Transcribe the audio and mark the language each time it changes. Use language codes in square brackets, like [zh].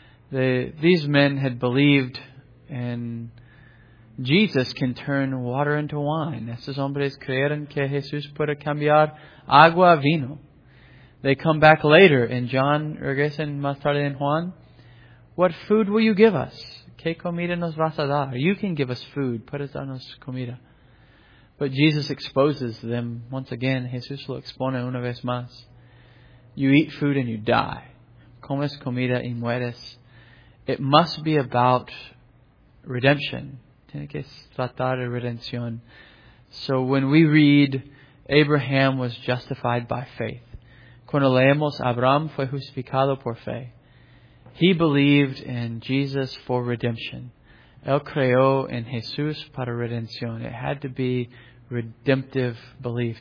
[en] These men had believed in Jesus can turn water into wine. [es] Estos hombres creyeron que Jesús puede cambiar agua a vino. [en] They come back later in John, [es] regresan más tarde en Juan. [en] What food will you give us? [es] ¿Qué comida nos vas a dar? [en] You can give us food. [es] Puedes darnos comida. [en] But Jesus exposes them once again. [es] Jesús lo expone una vez más. [en] You eat food and you die. [es] Comes comida y mueres. [en] It must be about redemption. [es] Tiene que tratar de redención. [en] So when we read, Abraham was justified by faith. [es] Cuando leemos, Abraham fue justificado por fe. [en] He believed in Jesus for redemption. [es] Él creyó en Jesús para redención. [en] It had to be redemptive belief.